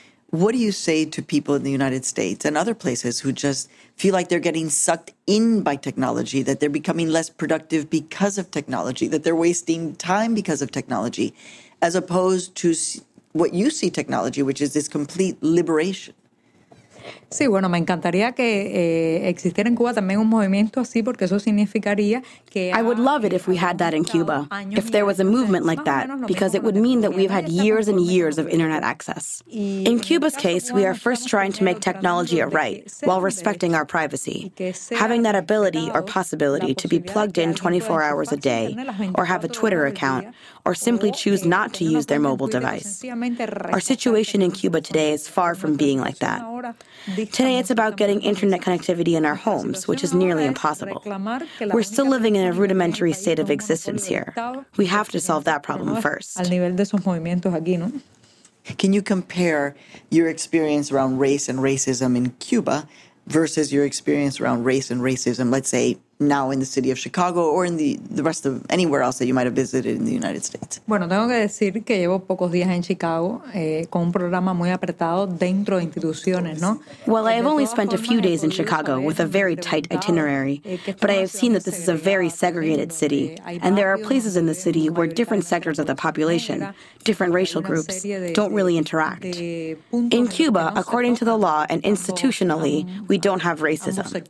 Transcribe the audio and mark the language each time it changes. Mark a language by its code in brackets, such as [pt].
[en] What do you say to people in the United States and other places who just feel like they're getting sucked in by technology, that they're becoming less productive because of technology, that they're wasting time because of technology, as opposed to what you see technology, which is this complete liberation? [es] Sí, bueno, me encantaría que existiera en Cuba también un movimiento así, porque eso significaría que... [en] I would love it if we had that in Cuba, if there was a movement like that, because it would mean that we've had years and years of internet access. In Cuba's case, we are first trying to make technology a right, while respecting our privacy. Having that ability or possibility to be plugged in 24 hours a day, or have a Twitter account, or simply choose not to use their mobile device. Our situation in Cuba today is far from being like that. Today, it's about getting internet connectivity in our homes, which is nearly impossible. We're still living in a rudimentary state of existence here. We have to solve that problem first. Can you compare your experience around race and racism in Cuba versus your experience around race and racism, let's say, now in the city of Chicago or in the rest of anywhere else that you might have visited in the United States? [es] Bueno, tengo que decir que llevo pocos días en Chicago con un programa muy apretado dentro de instituciones, ¿no? [en] Well, I have only spent a few days in Chicago with a very tight itinerary, but I have seen that this is a very segregated city, and there are places in the city where different sectors of the population, different racial groups, don't really interact. In Cuba, according to the law and institutionally, we don't have racism.